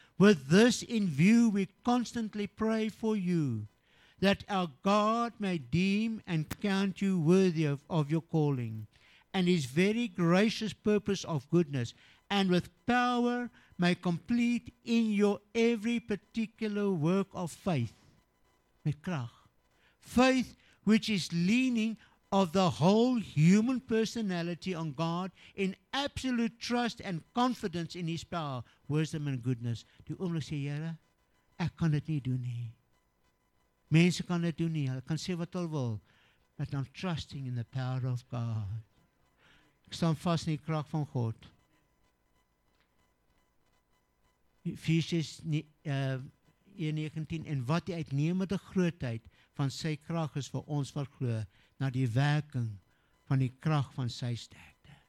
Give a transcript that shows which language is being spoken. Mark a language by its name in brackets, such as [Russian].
[English] With this in view, we constantly pray for you, that our God may deem and count you worthy of your calling, and his very gracious purpose of goodness, and with power may complete in your every particular work of faith. [Afrikaans] met krag. [English] Faith which is leaning of the whole human personality on God in absolute trust and confidence in his power, wisdom and goodness. [Afrikaans] Die oomblik sê, Here, ek kan dit nie doen nie. Mense kan dit doen nie, hulle kan sê wat hulle wil. [English] But I'm trusting in the power of God. [Afrikaans] Ek staan vas in die krag van God. Efesiërs 1:19, en wat die uitnemende grootheid van sy krag is vir ons wat glo, na die werking van die krag van sy sterkte.